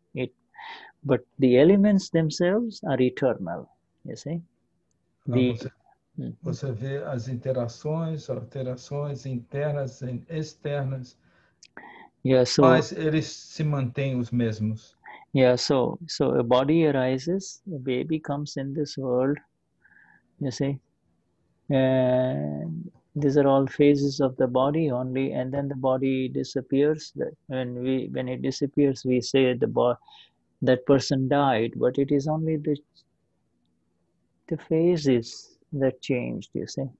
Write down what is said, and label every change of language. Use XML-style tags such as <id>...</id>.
<en>It, but the elements themselves are eternal, you see.</en> <pt>Você vê as interações, alterações internas e externas.</pt> <en>Yeah, so,</en> <pt>mas eles se mantêm os mesmos.</pt> <en>Yeah, so a body arises, a baby comes in this world, you see. And these are all phases of the body only, and then the body disappears. When it disappears, we say that person died, but it is only the phases that changed, you see.</en>